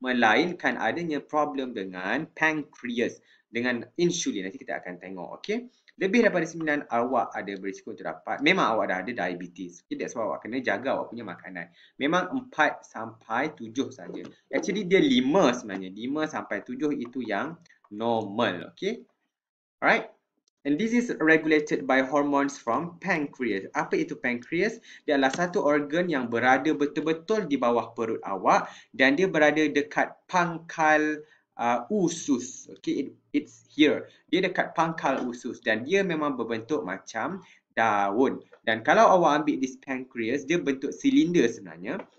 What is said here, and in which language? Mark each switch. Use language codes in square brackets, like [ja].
[ms] Melainkan adanya problem dengan pancreas. Dengan insulin. Nanti kita akan tengok. Okay? Lebih daripada 9, awak ada berisiko untuk dapat. Memang awak dah ada diabetes. Okay, that's why awak kena jaga awak punya makanan. Memang 4 sampai 7 saja. Actually, dia 5 sebenarnya. 5 sampai 7 itu yang normal. Okay? Alright? [en] And this is regulated by hormones from pancreas. [ms] Apa itu pancreas? Dia adalah satu organ yang berada betul-betul di bawah perut awak. Dan dia berada dekat pangkal usus. Okay, it's here. Dia dekat pangkal usus dan dia memang berbentuk macam daun. Dan kalau awak ambil this pancreas, dia bentuk silinder sebenarnya.